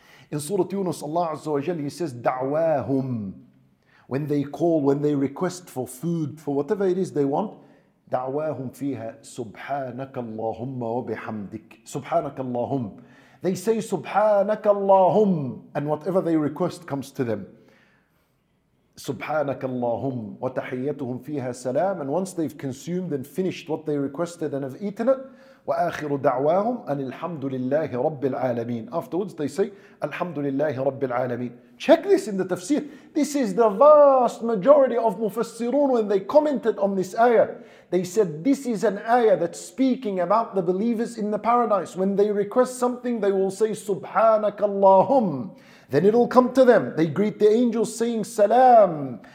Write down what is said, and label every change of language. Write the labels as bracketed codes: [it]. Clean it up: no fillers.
[en] In Surah Yunus, Allah Azza wa Jalla, he says, [ar] دعواهم. [en] When they call, when they request for food, for whatever it is they want, [ar] دعواهم فيها سبحانك اللهم [en] وبحمدك سبحانك اللهم. They say [ar] سبحانك اللهم, [en] and whatever they request comes to them. [ar] سبحانك اللهم وتحيتهم فيها سلام. [en] And once they've consumed and finished what they requested and have eaten it, [ar] وآخر دعواهم أن الحمد لله رب العالمين. [en] Afterwards they say [ar] الحمد لله رب العالمين. [en] Check this in the tafsir. This is the vast majority of mufassirun when they commented on this ayah. They said this is an ayah that's speaking about the believers in the paradise. When they request something, they will say [ar] سبحانك اللهم. [en] Then it'll come to them. They greet the angels saying salam.